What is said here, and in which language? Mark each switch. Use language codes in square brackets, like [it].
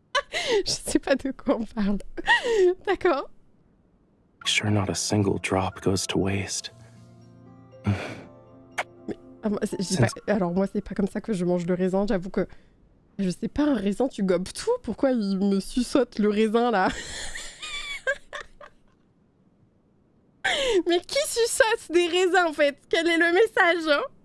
[fr] Je sais pas de quoi on parle. D'accord. [en] Sure, not a single drop goes to waste. [fr] Alors moi c'est pas comme ça que je mange le raisin, j'avoue que je sais pas, un raisin tu gobes tout, pourquoi il me susote le raisin là? Mais qui susote des raisins en fait? Quel est le message, hein?